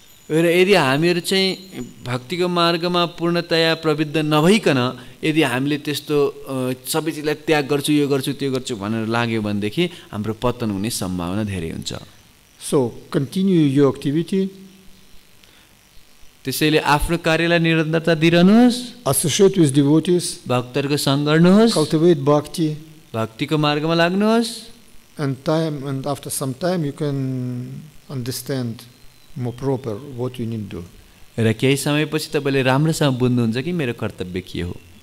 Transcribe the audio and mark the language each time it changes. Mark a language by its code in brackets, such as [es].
[ne] र यदि हामीहरु चाहिँ भक्तिको मार्गमा पूर्णतया प्रवृत्त नभईकन यदि हामीले त्यस्तो सबै चीजलाई त्याग गर्छु यो गर्छु त्यो गर्छु भनेर लाग्यो भने देखि हाम्रो पतन हुने सम्भावना धेरै हुन्छ [en] so continue your activity [ne] त्यसैले आफ्नो कार्यलाई निरन्तरता दिइरहनुहोस् [en] associate with devotees [ne] भक्तहरुको संग गर्नुहोस् [en] cultivate भक्ति [ne] भक्तिको मार्गमा लाग्नुहोस् [en] And time, and after some time, you can understand more proper what you need to do. रक्षा समय पर सिता बले रामरस हम बुंद होने जाके मेरे कर्तव्य किये हो.